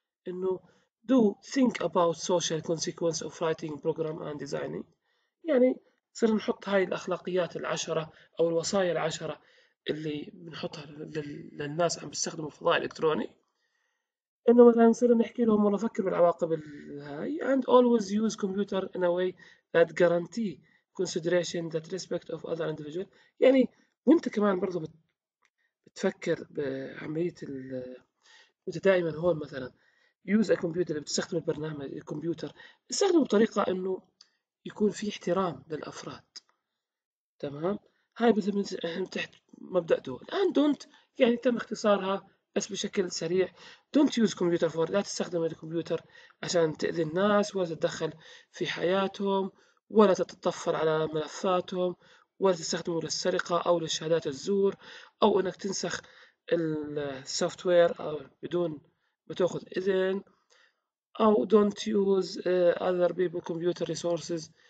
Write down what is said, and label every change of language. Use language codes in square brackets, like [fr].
[en] إنه do think about social consequence of writing program and designing. [ar] يعني صرنا نحط هاي الأخلاقيات العشرة أو الوصايا العشرة اللي بنحطها للناس عم بيستخدموا الفضاء الإلكتروني، انه مثلا نصير نحكي لهم والله فكر بالعواقب هاي. [en] and always use computer in a way that guarantee consideration that respect of other individual. [ar] يعني وانت كمان برضو بتفكر بعملية انت دائما هون مثلا use a computer، بتستخدم البرنامج الكمبيوتر، استخدمه بطريقة انه يكون في احترام للأفراد، تمام. هاي مثل تحت مبدأ دول. and don't يعني تم اختصارها بس بشكل سريع، don't use computer for، لا تستخدم الكمبيوتر عشان تأذي الناس ولا تتدخل في حياتهم ولا تتطفل على ملفاتهم ولا تستخدمه للسرقة أو لشهادات الزور أو إنك تنسخ السوفت وير أو بدون ما تأخذ إذن، أو don't use other people computer resources.